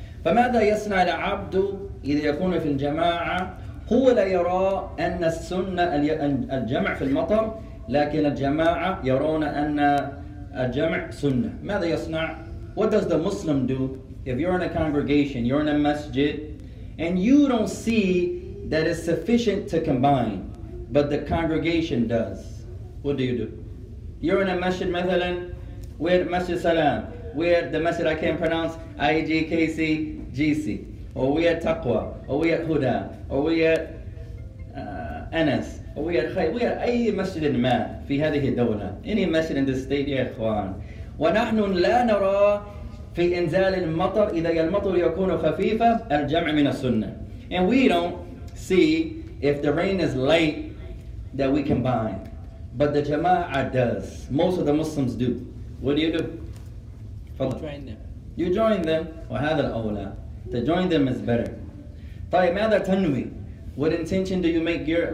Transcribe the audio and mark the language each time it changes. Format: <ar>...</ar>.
<ar>فماذا يصنع العبد إذا يكون في الجماعة هو لا يرى أن السنة الجمع في المطر لكن الجماعة يرون أن الجمع سنة. ماذا يصنع؟</ar> <en>What does the Muslim do? If you're in a congregation, you're in a masjid, and you don't see that it's sufficient to combine, but the congregation does, what do you do? You're in a masjid,</en> <ar>مثلاً,</ar> <en>where masjid salam, where the masjid I can't pronounce, IGKCGC, or we at Taqwa, or we at Huda, or we at Anas, or we at Khay, we at any masjid in</en> <ar>ما في هذه الدولة,</ar> <en>any masjid in this state,</en> <ar>يا إخوان. ونحن لا نرى في إنزال المطر إذا المطر يكون خفيفة الجمع من السنة.</ar> <en>And we don't see if the rain is light that we combine. But the Jama'ah does. Most of the Muslims do. What do? You join them. You join them.</en> <ar>وهذا الأولى.</ar> <en>To join them is better.</en> <ar>طيب ماذا تنوي؟</ar> <en>What intention do you make here?</en>